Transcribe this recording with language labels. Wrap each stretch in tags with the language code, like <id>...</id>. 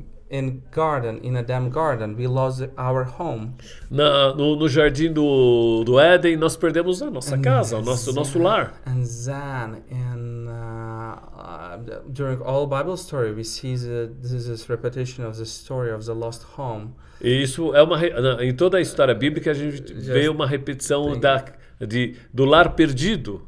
<en>In garden, in Adam garden, we lost our home.</en> <pt>No jardim do Éden, nós perdemos a nossa casa, nosso lar.</pt> <en>And then, during all Bible story, we see this repetition of the story of the lost home.</en> <pt>E isso é uma em toda a história bíblica a gente vê uma repetição do lar perdido.</pt>